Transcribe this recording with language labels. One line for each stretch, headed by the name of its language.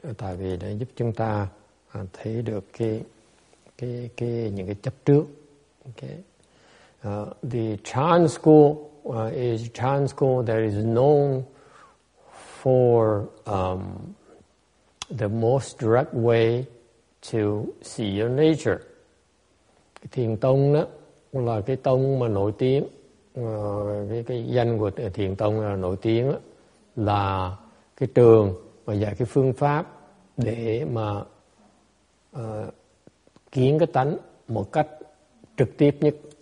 Vietnamese: Tại vì nó giúp chúng ta thấy được cái những cái chấp trước.
English: Okay. The Chan school is Chan school that is known for the most direct way to see your nature.
Vietnamese: Thiền tông đó là cái tông mà nổi tiếng, cái danh của thiền tông là nổi tiếng đó, là cái trường mà dạy cái phương pháp để mà kiến cái tánh một cách trực tiếp nhất.